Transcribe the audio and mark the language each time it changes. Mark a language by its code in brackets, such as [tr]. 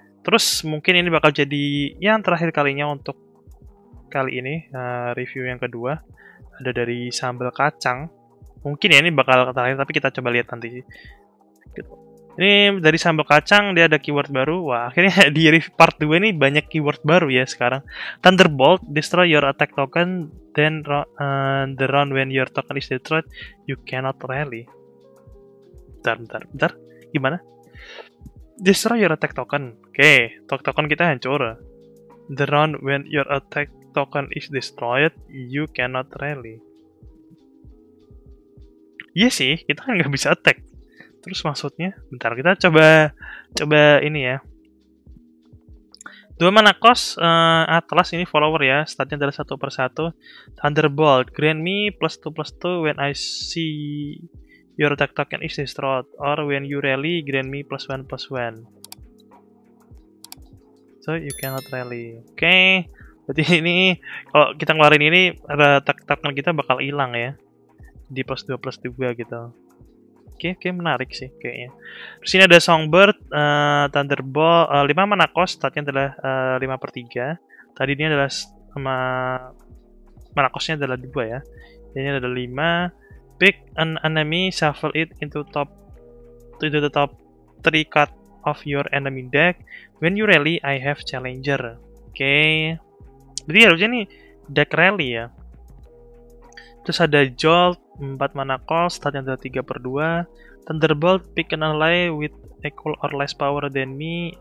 [id] Terus mungkin ini bakal jadi yang terakhir kalinya untuk kali ini, review yang kedua ada dari sambal kacang. Mungkin ya ini bakal terakhir, tapi kita coba lihat nanti gitu. Ini dari sambal kacang, dia ada keyword baru. Wah, akhirnya di review part 2 ini banyak keyword baru ya sekarang. [en] Thunderbolt, destroy your attack token, then the round when your token is destroyed, you cannot rally. [id] Bentar, gimana? [en] Destroy your attack token. [id] Oke, token kita hancur. [en] The round when your attack token is destroyed, you cannot rally. [id] Iya sih, kita kan nggak bisa attack. Terus maksudnya, bentar kita coba coba ini ya. Dua mana kos Atlas ini follower ya. Statnya dari satu per satu. [en] Thunderbolt, grant me +2/+2 when I see your attack token is destroyed or when you rally, grant me +1/+1. So you cannot rally. Oke. Okay. [id] Berarti ini kalau kita ngeluarin ini attack token kita bakal hilang ya. Di +2/+2 gitu. Oke, okay, okay, menarik sih kayaknya. Terus ini ada Songbird, Thunderbolt, 5 mana cost, statnya adalah 5/3. Tadi ini adalah mana cost-nya adalah 2 ya. Ini adalah 5. [en] Pick an enemy, shuffle it into the top 3 card of your enemy deck. When you rally, I have challenger. Oke. Okay. [id] Berarti harusnya ini deck rally ya. Terus ada Jolt, 4 mana cost, statnya adalah 3/2. [en] Thunderbolt, pick an ally with equal or less power than me.